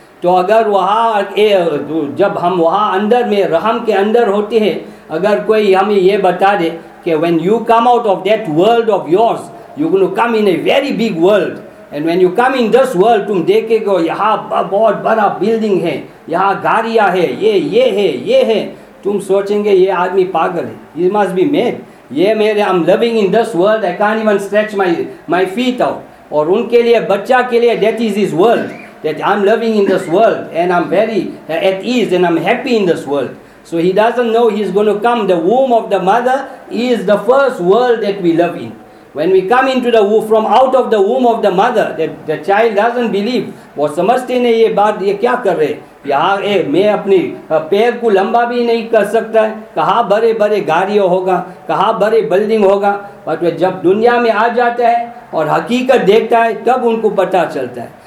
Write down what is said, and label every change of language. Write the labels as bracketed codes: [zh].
[hi] तो अगर वहाँ जब हम वहाँ अंदर में रहम के अंदर होते हैं, अगर कोई हमें ये बता दे कि [en] when you come out of that world of yours, you gonna come in a very big world, and when you come in this world, [hi] तुम देखेगो यहाँ बहुत बड़ा बिल्डिंग है, यहाँ गाड़ियाँ है, ये है, ये है, तुम सोचेंगे ये आदमी पागल है, [en] he must be mad, [hi] ये मेरे [en] I am living in this world, I can even stretch [hi] my feet out, और उनके लिए, बच्चा के लिए, [en] That is his world, that I'm living in this world and I'm very at ease and I'm happy in this world. So he doesn't know he's going to come, the womb of the mother is the first world that we live in. [hi] When we come into the womb, from out of the womb of the mother, that the child doesn't believe, वो समझते नहीं ये बात, ये क्या कर रहे यार, ए मैं अपनी पैर को लंबा भी नहीं कर सकता, कहाँ बड़े बड़े गाड़ियों होगा, कहाँ बड़े बिल्डिंग होगा, बट जब दुनिया में आ जाता है और हकीकत देखता है, तब उनको पता चलता है।